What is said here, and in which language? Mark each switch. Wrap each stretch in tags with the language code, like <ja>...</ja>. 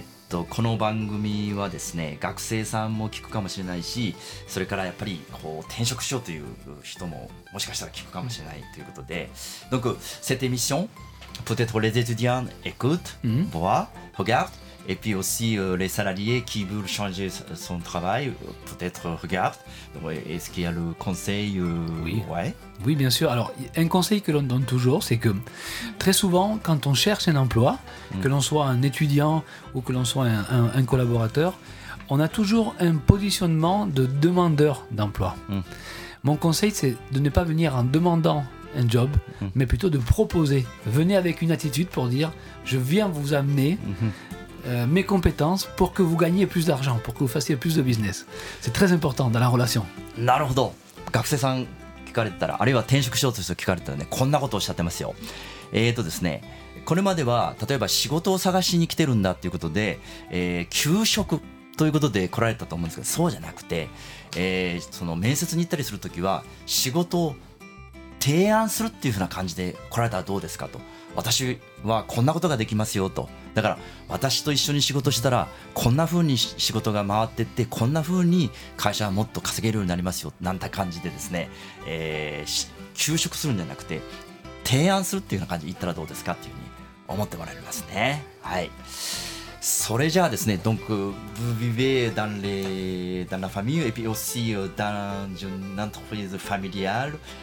<ja>この番組はですね、学生さんも聞くかもしれないし、それからやっぱりこう転職しようという人ももしかしたら聞くかもしれないということで、うん、</ja> <fr>donc cette émission peut être les étudiants écoutent、</fr> <ja>うん、</ja> <fr>voient regardent et puis aussi les salariés qui veulent changer son travail peut-être regardent. Donc est-ce qu'il y a le conseil oui. Ouais. Oui, bien sûr. Alors un conseil que l'on donne toujours, c'est que très souvent quand on cherche un emploi, que l'on soit un étudiant ou que l'on soit un collaborateur, on a toujours un positionnement de demandeur d'emploi. Mon conseil, c'est de ne pas venir en demandant un job, mais plutôt de proposer. Venez avec une attitude pour dire je viens vous amener mes compétences pour que vous gagniez plus d'argent, pour que vous fassiez plus de business. C'est très important dans la relation.</fr> <ja>なるほど。学生さん聞かれたら、あるいは転職しようとする人聞かれたらね、こんなことをおっしゃってますよ。ですね、これまでは例えば仕事を探しに来てるんだということで、求職ということで来られたと思うんですけど、そうじゃなくて、その面接に行ったりするときは仕事を提案するっていうふうな感じで来られたらどうですかと。私はこんなことができますよと。だから私と一緒に仕事したらこんな風に仕事が回ってってこんな風に会社はもっと稼げるようになりますよなんて感じでですね、求職するんじゃなくて提案するっていうような感じで言ったらどうですかっていうふうに思ってもらえますね。はい。それじゃあですね、</ja> <fr>donc vous vivez dans la famille et puis aussi dans une entreprise familiale。</fr>